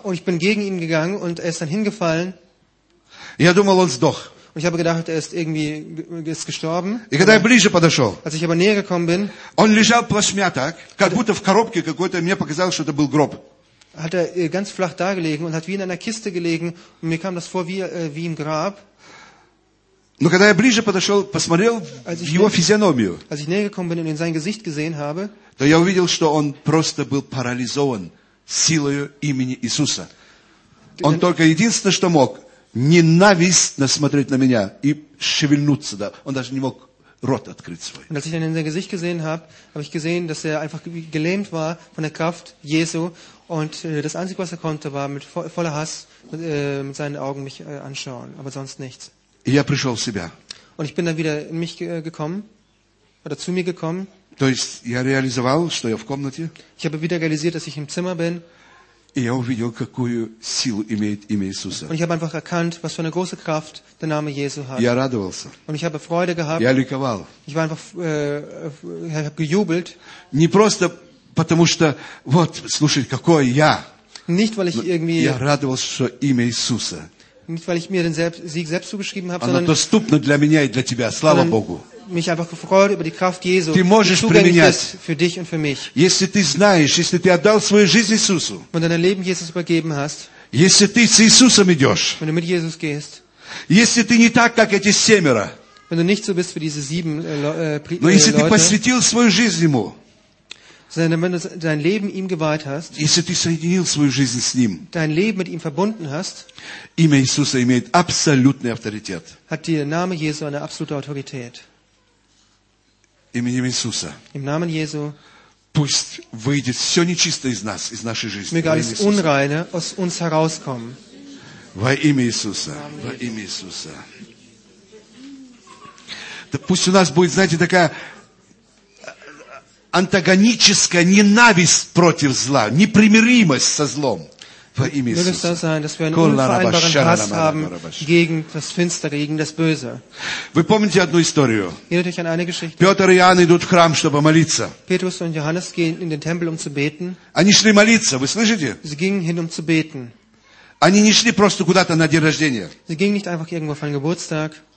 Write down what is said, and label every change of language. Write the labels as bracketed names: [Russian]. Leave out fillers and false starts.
[German] Und ich bin gegen ihn gegangen und er ist dann hingefallen. [Russian] Я думал, он сдох. [German] Und ich habe gedacht, er ist irgendwie ist gestorben. [Russian] И когда я ближе подошел, [German] als ich aber näher gekommen bin, [Russian] он лежал плашмя так, как будто в коробке какой-то, мне показалось, что это был гроб. [German] Hat er ganz flach dagelegen und hat wie in einer Kiste gelegen und mir kam das vor wie im Grab. [Russian] Но когда я ближе подошел, посмотрел в его физиономию, [German] als ich näher gekommen bin und in sein Gesicht gesehen habe, [Russian] то я увидел, что он просто был парализован силою имени Иисуса. Он только единственное, что мог, ненавистно смотреть на меня и шевельнуться, да. Он даже не мог рот открыть свой. [German] Und als ich dann in sein Gesicht gesehen habe, habe ich gesehen, dass er einfach gelähmt war von der Kraft Jesu und das Einzige, was er konnte, war mit voller Hass mit seinen Augen mich anschauen, aber sonst nichts. [Russian] И я пришел в себя. [German] Und ich bin dann wieder in mich gekommen oder zu mir gekommen. [Russian] То есть я реализовал, что я в комнате. [German] Ich habe wieder realisiert, dass ich im Zimmer bin. [Russian] И я увидел, какую силу имеет имя Иисуса. [German] Und ich habe einfach erkannt, was für eine große Kraft der Name Jesu hat. [Russian] Я радовался. [German] Und ich habe Freude gehabt. [Russian] Я ликовал. [German] Ich war einfach, habe gejubelt. [Russian] Не просто потому что, вот, слушай, какой я. [German] Nicht weil ich irgendwie. [Russian] Я радовался, что имя Иисуса. [German] Nicht weil ich mir den Sieg selbst zugeschrieben habe, [Russian] оно [German] sondern. [Russian] Оно доступно для меня и для тебя, слава Богу. [German] Mich einfach gefreut über die Kraft Jesu, die zugänglich [Russian] применять. [German] Ist für dich und für mich. [Russian] Если ты знаешь, если ты отдал свою жизнь Иисусу, [German] wenn du dein Leben Jesus übergeben hast, [Russian] если ты с Иисусом идешь, [German] wenn du mit Jesus gehst, [Russian] если ты не так, как эти семеро, [German] wenn du nicht so bist wie diese sieben Leute, [Russian] но если ты посвятил свою жизнь ему, [German] sondern wenn du dein Leben ihm geweiht hast, [Russian] если ты соединил свою жизнь с ним, [German] dein Leben mit ihm verbunden hast, [Russian] имя Иисуса имеет абсолютную авторитет, [German] hat der Name Jesu eine absolute Autorität. [Russian] Именем Иисуса. [German] Im Namen Jesu. [Russian] Пусть выйдет все нечистое из нас, из нашей жизни. [German] Möge alles Unreine aus uns herauskommen. [Russian] Во имя Иисуса. Во имя Иисуса. Да пусть у нас будет, знаете, такая антагоническая ненависть против зла, непримиримость со злом. [German] Möge es das sein, dass wir einen unvereinbaren Hass haben gegen das Finstere, gegen das Böse. Erinnert euch an eine Geschichte. Petrus und Johannes gehen in den Tempel, um zu beten. Sie gingen hin, um zu beten. Sie gingen nicht einfach irgendwo auf einen Geburtstag.